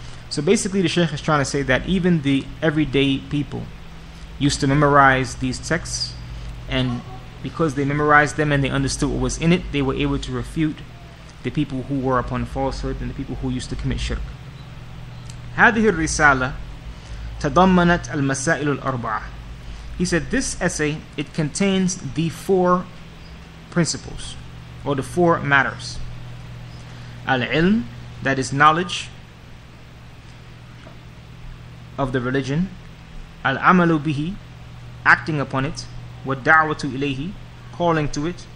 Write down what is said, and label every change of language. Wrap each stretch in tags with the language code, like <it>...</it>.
<en>So basically the Sheikh is trying to say that even the everyday people used to memorize these texts, and because they memorized them and they understood what was in it, they were able to refute the people who were upon falsehood and the people who used to commit shirk.</en> <ar>هذه الرسالة تضمنت المسائل الأربعة.</ar> <en>He said, this essay, it contains the four principles, or the four matters. Al-ilm, that is knowledge of the religion.</en> <ar>Al-amalu bihi,</ar> <en>acting upon it.</en> <ar>Wa da'watu ilayhi,</ar> <en>calling to it.</en>